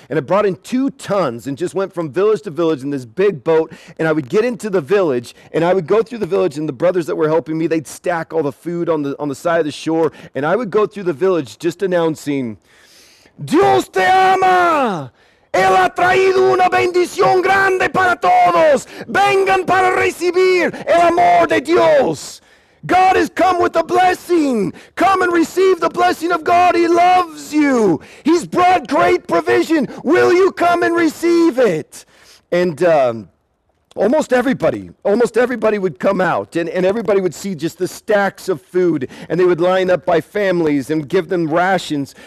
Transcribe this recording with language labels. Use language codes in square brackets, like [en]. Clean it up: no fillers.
[en] And I brought in 2 tons and just went from village to village in this big boat. And I would get into the village and I would go through the village, and the brothers that were helping me, they'd stack all the food on the side of the shore. And I would go through the village just announcing, [es] Dios te ama! Él ha traído una bendición grande para todos! Vengan para recibir el amor de Dios! [en] God has come with a blessing. Come and receive the blessing of God. He loves you. He's brought great provision. Will you come and receive it? And almost everybody would come out, and everybody would see just the stacks of food, and they would line up by families and give them rations.